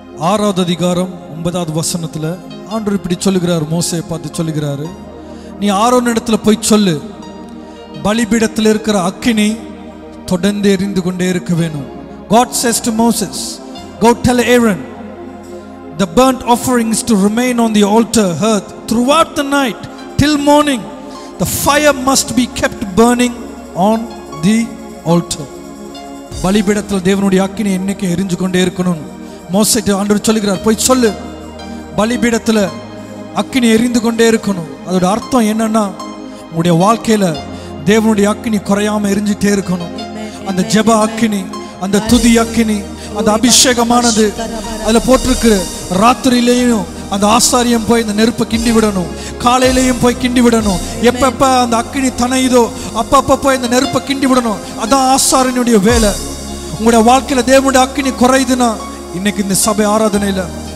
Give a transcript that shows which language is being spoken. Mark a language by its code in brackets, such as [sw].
[ta] ஆறாவது அதிகாரம் 9வது வசனத்தில் ஆண்டவர் இப்படி சொல்லுகிறார் மோசேயை பார்த்து சொல்லுகிறாரு நீ ஆரோன் இடத்துல போய் சொல்லு பலிபீடத்தில் இருக்கிற அக்கினி தொடர்ந்து எரிந்து கொண்டே இருக்க வேணும் [en] God says to Moses, Go tell Aaron, the burnt offerings to remain on the altar hearth throughout the night till morning. The fire must be kept burning on the altar. [ta] பலிபீடத்தில் தேவனுடைய அக்கினி என்னைக்கு எரிஞ்சு கொண்டே இருக்கணும் மோசே ஆண்டவர் சொல்லுகிறார் போய் சொல்லு பலிபீடத்தில் அக்கினி எரிந்து கொண்டே இருக்கணும் அதோட அர்த்தம் என்னன்னா உங்களுடைய வாழ்க்கையில தேவனுடைய அக்கினி குறையாம எரிஞ்சுட்டே இருக்கணும் அந்த ஜெப அக்கினி அந்த துதி அக்கினி அந்த அபிஷேகமானது அதுல போட்டிருக்கிற ராத்திரியிலையும் அந்த ஆசாரியம் போய் இந்த நெருப்பை கிண்டி விடணும் காலையிலையும் போய் கிண்டி விடணும் எப்பப்ப அந்த அக்கினி தனையுதோ அப்பப்ப போய் இந்த நெருப்பை கிண்டி விடணும் அதான் ஆசாரியனுடைய வேலை உங்களுடைய வாழ்க்கையில தேவனுடைய அக்கினி குறையுதுன்னா இன்னைக்கு இந்த சபை ஆராதனையில